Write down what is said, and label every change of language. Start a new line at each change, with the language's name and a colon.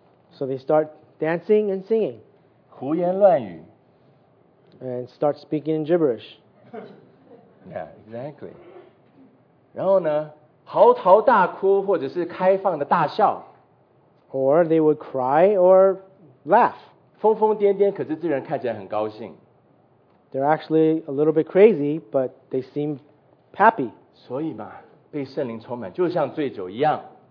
English: So they start dancing and singing.
Chinese: 胡言乱语。
English: And start speaking in gibberish. Yeah, exactly.
Chinese: 然后呢，嚎啕大哭或者是开放的大笑。
English: Or they would cry or laugh.
Chinese: 疯疯癫癫，可是这人看起来很高兴。
English: They're actually a little bit crazy, but they seem happy.
Chinese: 所以嘛，被圣灵充满就像醉酒一样。